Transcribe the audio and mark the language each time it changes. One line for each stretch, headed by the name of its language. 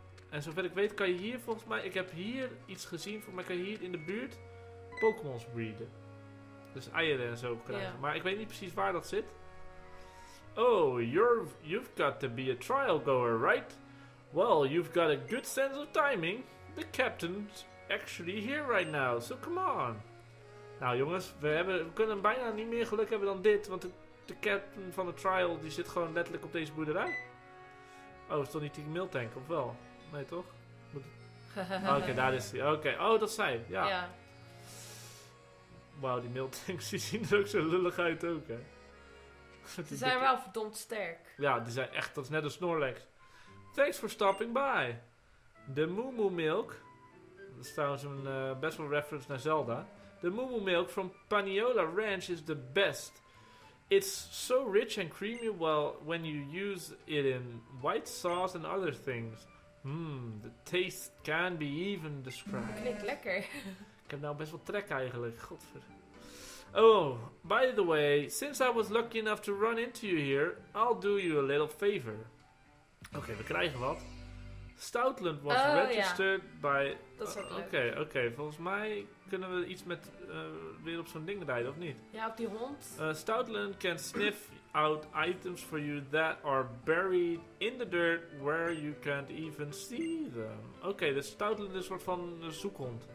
Dutch: En zover ik weet kan je hier volgens mij... Ik heb hier iets gezien. Volgens mij kan je hier in de buurt Pokémon's breeden. Dus eieren en zo krijgen.
English: Yeah.
Dutch: Maar ik weet niet precies waar dat zit.
English: Oh, you've got to be a trial goer, right? Well, you've got a good sense of timing. The captain's actually here right now, so come on.
Dutch: Nou jongens, we kunnen bijna niet meer geluk hebben dan dit, want de captain van de trial die zit gewoon letterlijk op deze boerderij. Oh, is toch niet die miltank, of wel? Nee toch? Oké, daar is hij. Oké, oh dat zij, ja. Wauw, die miltanks die zien er ook zo lullig uit ook, hè. Ze zijn wel verdomd sterk. Ja, die zijn echt, dat is net een Snorlax.
English: Thanks for stopping by.
Dutch: De Moo Moo Milk. Dat is trouwens een best wel reference naar Zelda.
English: The Moo Moo Milk from Paniola Ranch is the best. It's so rich and creamy well when you use it in white sauce and other things. Mmm, the taste can be even described.
Dutch: Klinkt lekker. Ik heb nou best wel trek eigenlijk, godver.
English: Oh, by the way, since I was lucky enough to run into you here, I'll do you a little favor.
Dutch: Oké, we krijgen wat.
English: Stoutland was registered by...
Dutch: Dat is ook leuk. Oké, volgens mij kunnen we iets met weer op zo'n ding rijden, of niet? Ja, op die hond.
English: Stoutland can sniff out items for you that are buried in the dirt where you can't even see them.
Dutch: Oké, dus Stoutland is een soort van zoekhond.